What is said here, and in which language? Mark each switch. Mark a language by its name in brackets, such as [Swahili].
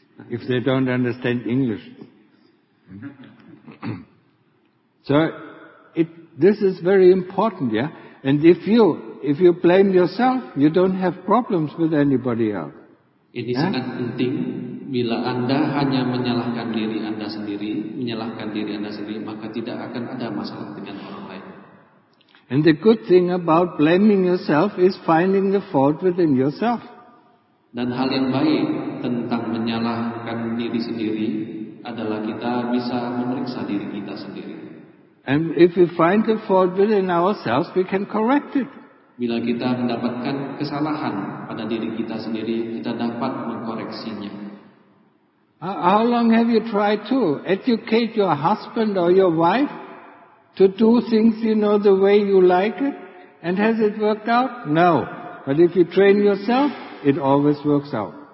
[English] If they don't understand English. So, this is very important, yeah? And if you blame yourself, you don't have problems with anybody else. [Indonesian] Ini sangat penting. Bila Anda hanya menyalahkan diri Anda sendiri, maka tidak akan ada masalah dengan orang lain. [English] And the good thing about blaming yourself is finding the fault within yourself. [Indonesian] Dan hal yang baik tentang menyalahkan diri sendiri adalah kita bisa memeriksa diri kita sendiri. [English] And if we find the fault within ourselves, we can correct it. [Indonesian] Bila kita mendapatkan kesalahan pada diri kita sendiri, kita dapat mengkoreksinya. [English] How long have you tried to educate your husband or your wife to do things, you know, the way you like it? And has it worked out? No. But if you train yourself, it always works out.